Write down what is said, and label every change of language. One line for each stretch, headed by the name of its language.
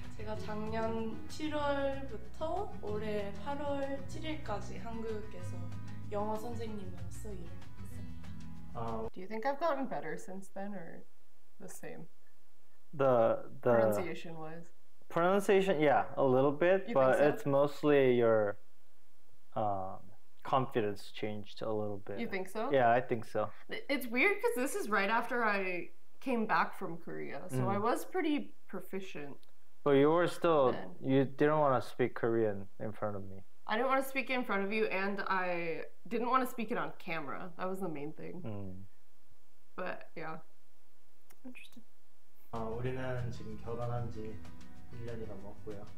Korean: 제가 작년 7월부터 올해 8월 7일까지 한국에서 영어 선생님으로서 일을
English: Do you think I've gotten better since then, or the same? The pronunciation-wise? Pronunciation, yeah, a little bit, you but it's mostly your confidence changed a little bit. You think so? Yeah, I think so. It's weird because this is right after I came back from Korea, so I was pretty proficient. But you were still, you didn't want to speak Korean in front of me. I didn't want to speak it in front of you, and I didn't want to speak it on camera. That was the main thing. But yeah, interesting.
Korean: 우리는 지금 결혼한 지 1년이 넘었고요.